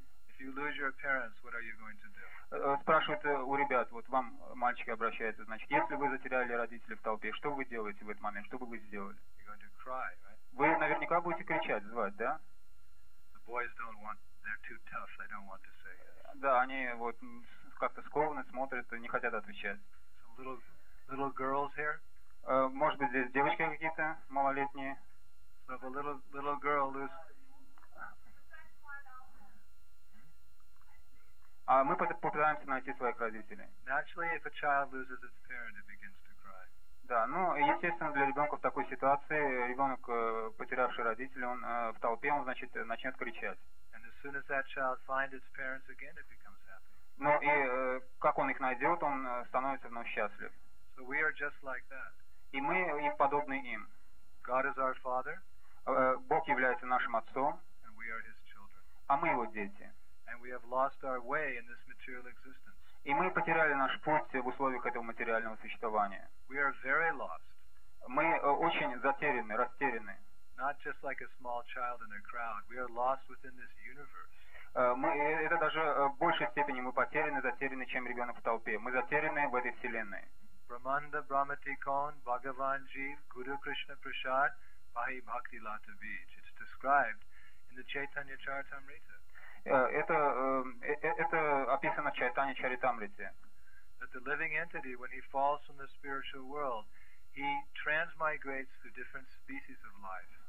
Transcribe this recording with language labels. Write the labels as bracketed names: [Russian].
[English] If you lose your parents, what are you going to do? [Russian] Спрашивают у ребят, вот вам мальчики обращаются, значит, если вы затеряли родителей в толпе, что вы делаете в этот момент, что бы вы сделали? [English] You're going to cry, right? [Russian] Вы наверняка будете кричать, звать, да? [English] The boys don't want, they're too tough, they don't want to say yes. [Russian] Да, они вот как-то скованы, смотрят, не хотят отвечать. [English] Some little girls here? [Russian] Может быть, здесь девочки какие-то малолетние? [English] So if a little girl is... [Russian] А мы попытаемся найти своих родителей. [English] Naturally, if a child loses its parent, it begins to cry. [Russian] Да, ну, естественно, для ребенка в такой ситуации, ребенок, потерявший родителей, он в толпе, он, значит, начнет кричать. [English] And as soon as that child finds its parents again, it becomes happy. [Russian] Ну, и как он их найдет, он становится вновь счастлив. [English] So we are just like that. [Russian] И мы им подобны им. [English] God is our father. [Russian] Бог является нашим отцом. [English] And we are his children. [Russian] А мы его дети. [English] And we have lost our way in this material existence. [Russian] И мы потеряли наш путь в условиях этого материального существования. [English] We are very lost. [Russian] Мы очень затеряны, растеряны. [English] Not just like a small child in a crowd. We are lost within this universe. [Russian] Это даже в большей степени мы потеряны, затеряны, чем ребенок в толпе. Мы затеряны в этой вселенной. [Sanskrit] Brahmanda, Brahmatikon, Bhagavan Jeev, Guru Krishna Prasad, Bahi Bhakti Lata Beach. [English] It's described in the Chaitanya Charitamrita. [Russian] Это описано в Чайтане Чаритамрите. [English] That the living entity, when he falls from the spiritual world, he transmigrates to different species of life.